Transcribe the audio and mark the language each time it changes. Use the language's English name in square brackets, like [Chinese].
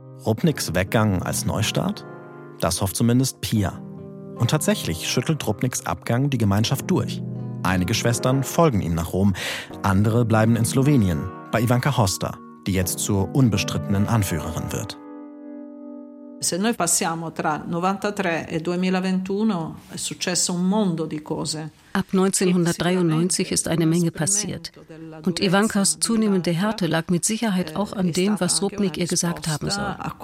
[German] Rupniks Weggang als Neustart? Das hofft zumindest Pia. Und tatsächlich schüttelt Rupniks Abgang die Gemeinschaft durch. Einige Schwestern folgen ihm nach Rom, andere bleiben in Slowenien, bei Ivanka Hosta, die jetzt zur unbestrittenen Anführerin wird. [Italian] Se noi passiamo tra 93 e 2021, è successo un mondo di cose. [German] Ab 1993 ist eine Menge passiert. Und Ivankas zunehmende Härte lag mit Sicherheit auch an dem, was Rupnik ihr gesagt haben soll.